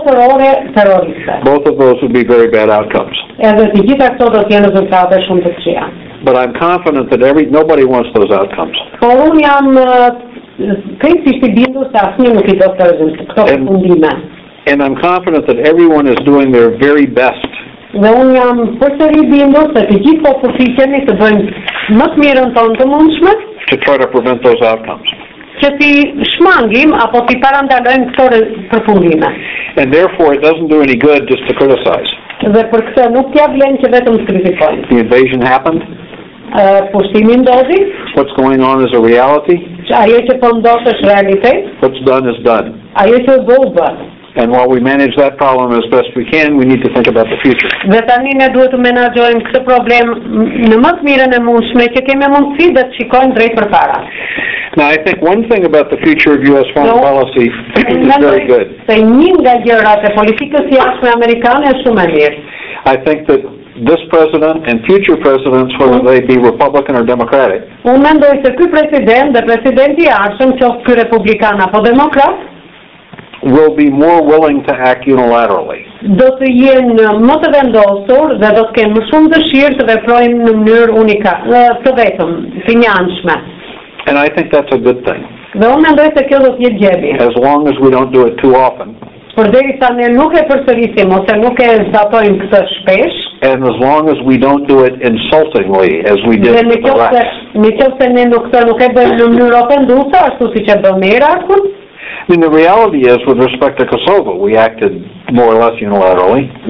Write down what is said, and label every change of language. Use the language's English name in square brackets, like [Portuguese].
[English] Both of those would be very bad outcomes. But I'm confident that nobody wants those outcomes. And I'm confident that everyone is doing their very best. [Albanian] Dhe unë jam përsëri bindur se të gjithë po përfitemi të bëjmë më të mirën tonë të mundshme [English] to try to prevent those outcomes. [Albanian] Që ti shmangim apo ti parandalojmë këto përfundime. [English] And therefore it doesn't do any good just to criticize. [Albanian] Dhe për këtë nuk t'ia vlen që vetëm të kritikojmë. [English] The invasion happened. [Albanian] Pushtimi ndodhi. [English] What's going on is a reality. [Albanian] Ajo që po ndodh është realitet. [English] What's done is done. [Albanian] Ajo që do të bëhet. [English] And while we manage that problem as best we can, we need to think about the future. [Albanian] Dhe tani ne duhet të menaxhojmë këtë problem në më të mirën e mundshme që kemi mundësi dhe të shikojmë drejt përpara. [English] Now I think one thing about the future of U.S. foreign policy is very good. [Albanian] Se një nga gjërat e politikës jashtme amerikane është shumë e mirë. [English] I think that this president and future presidents, whether they be Republican or Democratic, [Albanian] unë mendoj se ky president dhe presidenti I ardhshëm, qoftë ky republikan apo demokrat, [English] will be more willing to act unilaterally. [Albanian] Do të jenë më të vendosur dhe do të kenë më shumë dëshirë të veprojnë në mënyrë unikat, të vetëm, finjanshme. [English] And I think that's a good thing. [Albanian] Dhe unë mendoj se kjo do të jetë gjebi. [English] As long as we don't do it too often. [Albanian] Por deri sa ne nuk e përsërisim ose nuk e zbatojmë këtë shpesh. [English] And as long as we don't do it insultingly, as we did in Iraq. [Albanian] Në qoftë se ne nuk e bëjmë në mënyrë ofenduese, ashtu siç e bëmë Irakun. [English] I mean, the reality is, with respect to Kosovo, we acted more or less unilaterally.